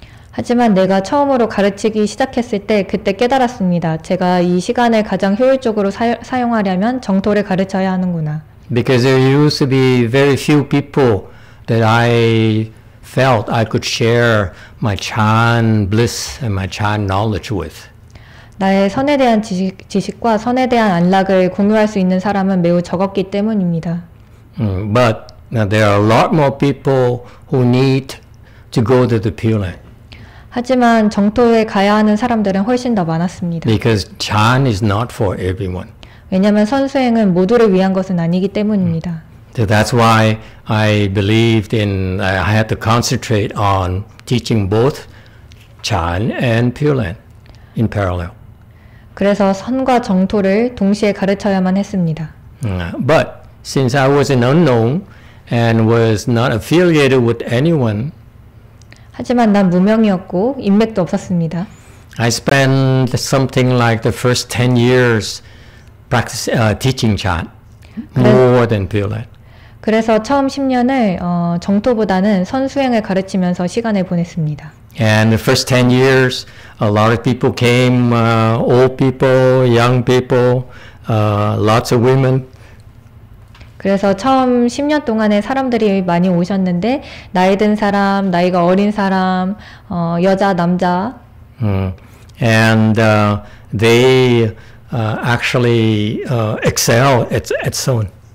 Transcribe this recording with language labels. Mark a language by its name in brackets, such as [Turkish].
[Korean] 하지만 내가 처음으로 가르치기 시작했을 때 그때 깨달았습니다. 제가 이 시간을 가장 효율적으로 사용하려면 정토를 가르쳐야 하는구나. [English] Because there used to be very few people that I felt I could share my Chan bliss and my Chan knowledge with. [Korean] 나의 선에 대한 지식과 선에 대한 안락을 공유할 수 있는 사람은 매우 적었기 때문입니다. [English] But now there are a lot more people who need to go to the Pure Land. [Korean] 하지만 정토에 가야 하는 사람들은 훨씬 더 많았습니다. [English] Because Chan is not for everyone. [Korean] 왜냐하면 선수행은 모두를 위한 것은 아니기 때문입니다. [English] So that's why I believed in, I had to concentrate on teaching both Chan and Pure Land in parallel. [Korean] 그래서 선과 정토를 동시에 가르쳐야만 했습니다. [English] But since I was an unknown and was not affiliated with anyone, [Korean] 하지만 난 무명이었고 인맥도 없었습니다. [English] I spent something like the first 10 years practicing teaching Chan more than Pure Land. [Korean] 그래서 처음 10년을 정토보다는 선수행을 가르치면서 시간을 보냈습니다. [English] And the first 10 years, a lot of people came, old people, young people, lots of women. [Korean] 그래서 처음 10년 동안에 사람들이 많이 오셨는데 나이 든 사람, 나이가 어린 사람, 여자, 남자. [English] And they actually excel at Son.